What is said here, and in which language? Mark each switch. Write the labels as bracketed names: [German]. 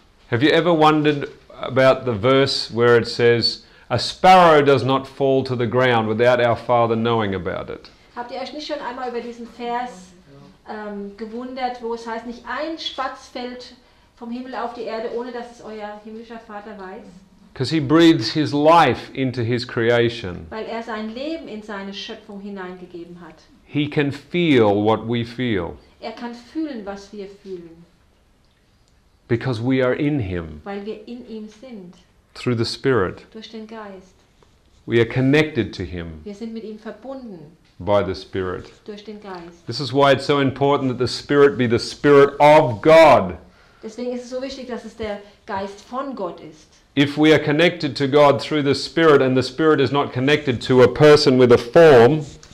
[English] Have you ever wondered about the verse where it says, a sparrow does not fall to the ground without our Father knowing about it? [German] Habt ihr euch nicht schon einmal über diesen Vers gewundert, wo es heißt, nicht ein Spatz fällt vom Himmel auf die Erde, ohne dass es euer himmlischer Vater weiß? [English] Because he breathes his life into his creation. [German] Weil er sein Leben in seine Schöpfung hineingegeben hat. [English] He can feel what we feel. [German] Er kann fühlen, was wir fühlen. [English] Because we are in him. [German] Weil wir in ihm sind. [English] Through the Spirit. [German] Durch den Geist. [English] We are connected to him. [German] Wir sind mit ihm verbunden. [English] By the Spirit. [German] Durch den Geist. [English] This is why it's so important that the Spirit be the Spirit of God. [German] Deswegen ist es so wichtig, dass es der Geist von Gott ist. [English] If we are connected to God through the Spirit and the Spirit is not connected to a person with a form,